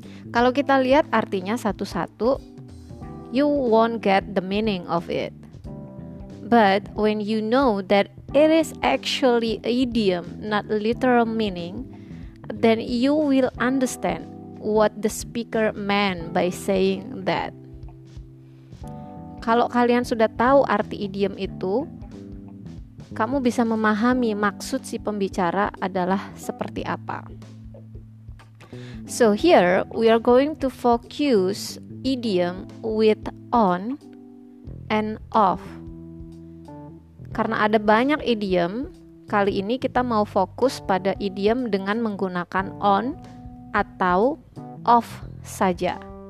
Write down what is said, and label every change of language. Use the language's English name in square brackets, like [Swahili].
[Indonesian] Kalau kita lihat artinya satu-satu, [English] you won't get the meaning of it. But when you know that it is actually an idiom, not literal meaning, then you will understand what the speaker meant by saying that. [Indonesian] Kalau kalian sudah tahu arti idiom itu, kamu bisa memahami maksud si pembicara adalah seperti apa. [English] So here we are going to focus idiom with on and off. [Indonesian] Karena ada banyak idiom, kali ini kita mau fokus pada idiom dengan menggunakan on atau off saja.